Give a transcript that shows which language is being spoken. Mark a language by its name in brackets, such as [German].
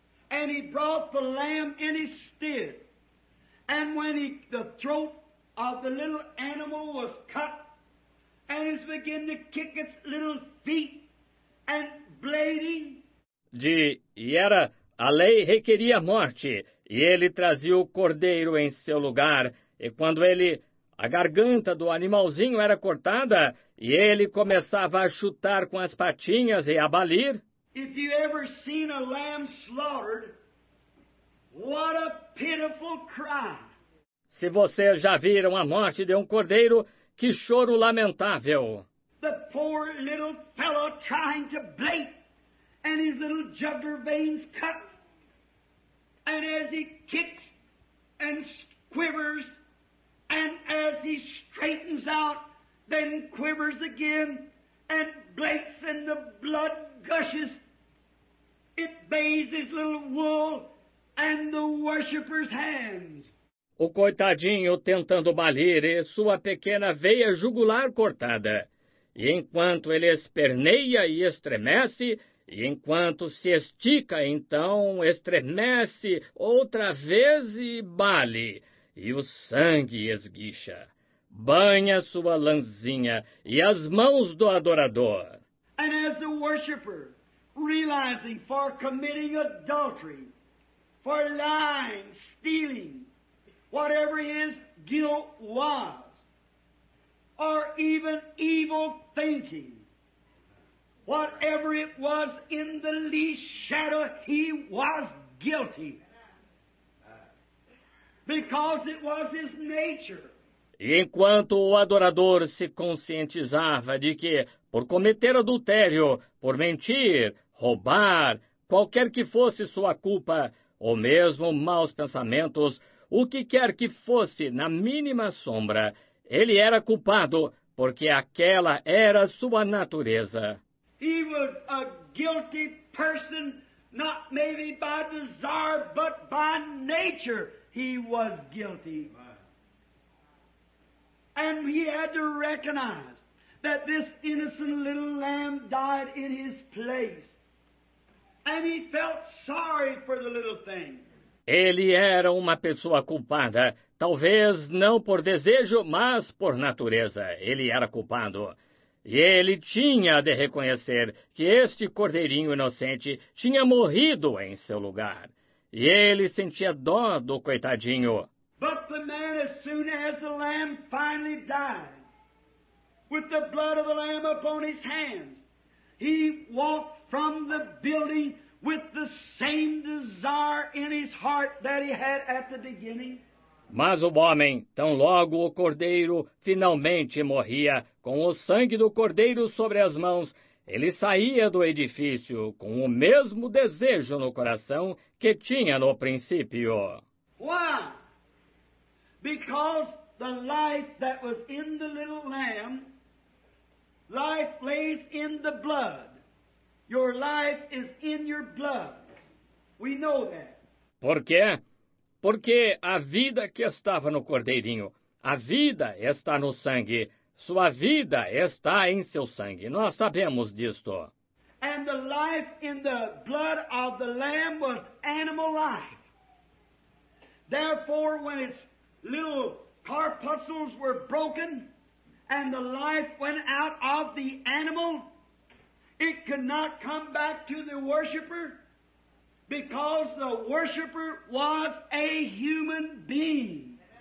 [English] And he brought the lamb in his stead. And when the throat of the little animal was cut, and it began to kick its little feet and bleeding. [Portuguese] Era a lei requeria morte, e ele trazia o cordeiro em seu lugar. E quando a garganta do animalzinho era cortada, e ele começava a chutar com as patinhas e a balir. [English] If you ever seen a lamb slaughtered, what a pitiful cry. [Portuguese] Se vocês já viram a morte de um cordeiro, que choro lamentável. [English] The poor little fellow trying to bleat, and his little jugular veins cut, and as he kicks and quivers, and as he straightens out, then quivers again, and bleats, and the blood gushes. It bathes little wool and the worshipper's hands. [Portuguese] O coitadinho tentando balir e sua pequena veia jugular cortada. E enquanto ele esperneia e estremece, e enquanto se estica, então estremece outra vez e bale. E o sangue esguicha, banha sua lanzinha e as mãos do adorador. [English] And as the worshipper, realizing for committing adultery, for lying, stealing, whatever his guilt was, or even evil thinking, whatever it was, in the least shadow, he was guilty. Because it was his nature. [Portuguese] E enquanto o adorador se conscientizava de que, por cometer adultério, por mentir, roubar, qualquer que fosse sua culpa, ou mesmo maus pensamentos, o que quer que fosse, na mínima sombra, ele era culpado, porque aquela era sua natureza. [English] He was a guilty person, not maybe by desire, but by nature he was guilty. And he had to recognize that this innocent little lamb died in his place. And he felt sorry for the little thing. [Portuguese] Ele era uma pessoa culpada, talvez não por desejo, mas por natureza. Ele era culpado. E ele tinha de reconhecer que este cordeirinho inocente tinha morrido em seu lugar. E ele sentia dó do coitadinho. [English] But the man, as soon as the lamb finally died, with the blood of the lamb upon his hands, he walked from the building with the same desire in his heart that he had at the beginning. [Portuguese] Mas o homem, tão logo o cordeiro finalmente morria, com o sangue do cordeiro sobre as mãos, ele saía do edifício com o mesmo desejo no coração que tinha no princípio. [English] Why? Because the life that was in the little lamb, life lays in the blood. Your life is in your blood. We know that. [Portuguese] Por quê? Porque a vida que estava no cordeirinho, a vida está no sangue. Sua vida está em seu sangue. Nós sabemos disto. [English] And the life in the blood of the lamb was animal life. Therefore, when its little corpuscles were broken, and the life went out of the animal, it could not come back to the worshipper, because the worshipper was a human being.